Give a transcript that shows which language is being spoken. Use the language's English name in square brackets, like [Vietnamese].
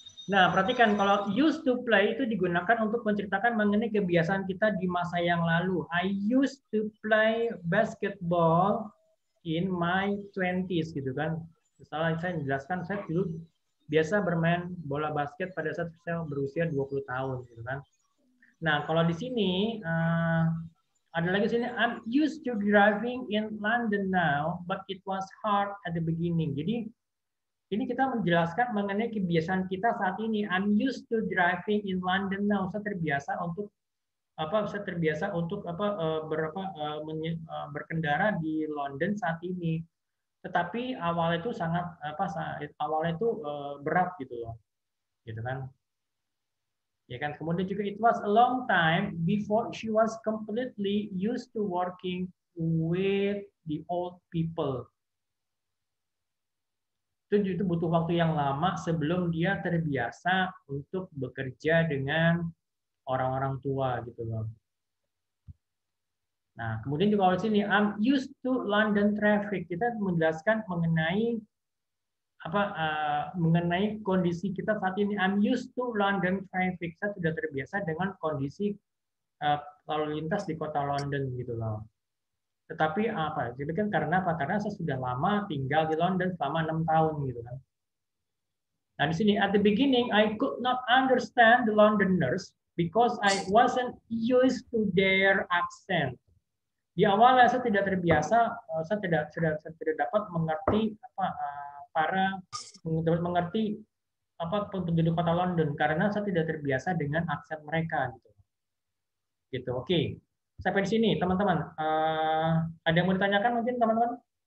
[Indonesian] Nah, perhatikan kalau used to play itu digunakan untuk menceritakan mengenai kebiasaan kita di masa yang lalu. [English] I used to play basketball in my 20s gitu kan. [Indonesian] Misalnya saya jelaskan, saya dulu biasa bermain bola basket pada saat saya berusia 20 tahun gitu kan. Nah, kalau di sini ada lagi sini [English] I'm used to driving in London now, but it was hard at the beginning. [Indonesian] Jadi ini kita menjelaskan mengenai kebiasaan kita saat ini. [English] I'm used to driving in London now. [Indonesian] Saya terbiasa untuk apa bisa terbiasa untuk apa berapa berkendara di London saat ini. Tetapi awalnya itu sangat apa awalnya itu berat gitu loh. Gitu kan? Ya kan, kemudian juga [English] it was a long time before she was completely used to working with the old people. [Indonesian] Itu butuh waktu yang lama sebelum dia terbiasa untuk bekerja dengan orang-orang tua gitu loh. Nah, kemudian juga di sini [English] I'm used to London traffic. [Indonesian] Kita menjelaskan mengenai apa mengenai kondisi kita saat ini. [English] I'm used to London traffic. [Indonesian] Saya sudah terbiasa dengan kondisi lalu lintas di kota London gitu loh. Tetapi apa? Jadi kan karena apa? Karena saya sudah lama tinggal di London selama 6 tahun gitu kan. [English] Nah, di sini at the beginning I could not understand the Londoners because I wasn't used to their accent. [Indonesian] Di awalnya saya tidak terbiasa, saya tidak dapat mengerti apa para mengerti apa penduduk kota London karena saya tidak terbiasa dengan aksen mereka gitu. Oke. Sampai di sini teman-teman, ada yang mau ditanyakan mungkin teman-teman?